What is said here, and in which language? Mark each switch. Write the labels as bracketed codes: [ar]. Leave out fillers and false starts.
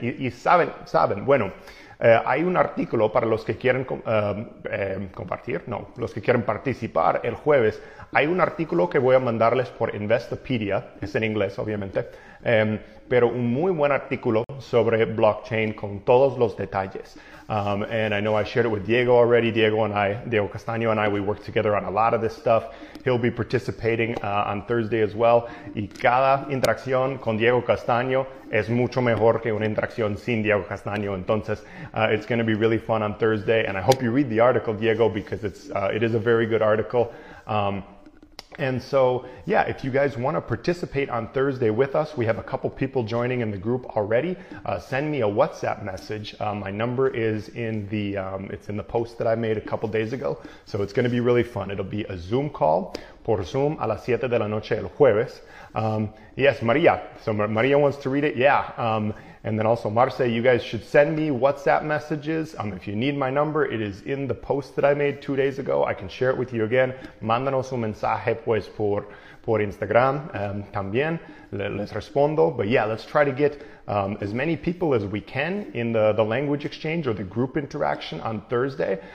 [es] Y saben, bueno, hay un artículo para los que quieren los que quieren participar el jueves. Hay un artículo que voy a mandarles por Investopedia, es en inglés, obviamente, pero un muy buen artículo sobre blockchain con todos los detalles. [en] And I know I shared it with Diego already. Diego Castaño and I, we worked together on a lot of this stuff. He'll be participating on Thursday as well. [es] Y cada interacción con Diego Castaño es mucho mejor que una interacción sin Diego Castaño. [en] Entonces, it's going to be really fun on Thursday. And I hope you read the article, Diego, because it is a very good article. And so, yeah, if you guys want to participate on Thursday with us, we have a couple people joining in the group already. Send me a WhatsApp message. My number is in the it's in the post that I made a couple days ago. So it's going to be really fun. It'll be a Zoom call [es] por Zoom a las 7 de la noche el jueves. [en] Yes, Maria. So Maria wants to read it. Yeah. And then also Marce, you guys should send me WhatsApp messages. If you need my number, it is in the post that I made 2 days ago. I can share it with you again. [es] Mándanos un mensaje pues por Instagram. También les respondo. [en] But yeah, let's try to get as many people as we can in the language exchange or the group interaction on Thursday.